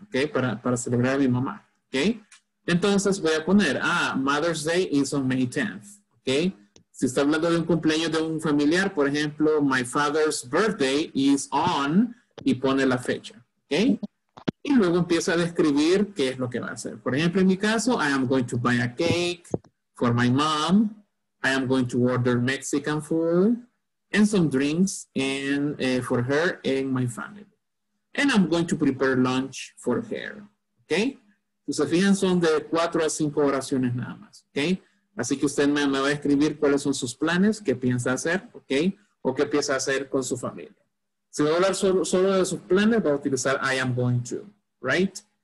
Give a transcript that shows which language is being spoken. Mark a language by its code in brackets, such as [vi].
[es] ¿Ok? Para celebrar a mi mamá. ¿Ok? Entonces voy a poner, [en] Mother's Day is on May 10th. [es] ¿Ok? Si está hablando de un cumpleaños de un familiar, por ejemplo, [en] my father's birthday is on, [es] y pone la fecha, ¿ok? Y luego empieza a describir qué es lo que va a hacer. Por ejemplo, en mi caso, [en] I am going to buy a cake for my mom. I am going to order Mexican food and some drinks and for her and my family. And I'm going to prepare lunch for her, ¿ok? [es] Entonces, fíjense, son de 4 a 5 oraciones nada más, ¿ok? Así que usted me va a escribir cuáles son sus planes, qué piensa hacer, ¿ok? O qué piensa hacer con su familia. Si va a hablar solo de sus planes, va a utilizar [en] I am going to, [es] right?